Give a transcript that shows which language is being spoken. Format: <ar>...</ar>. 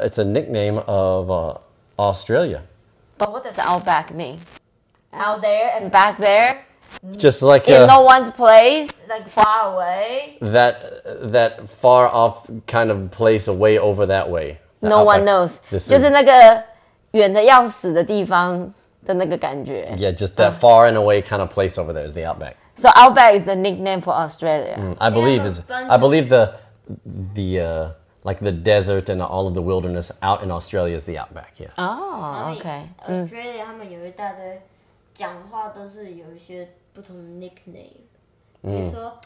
<en>It's a nickname of Australia. But what does outback mean? Out there and back there? Just like in no one's place, like far away? That far off kind of place away over that way. No outback, one knows.</en> <zh>就是那个远的要死的地方的那个感觉。</zh> <en>Yeah, just that far and away kind of place over there is the outback. So outback is the nickname for Australia. Like the desert and all of the wilderness out in Australia is the outback, yes. Oh, okay.</en> <zh>Australia, 他们有一大堆讲话都是有一些不同的 nickname. 比如说</zh>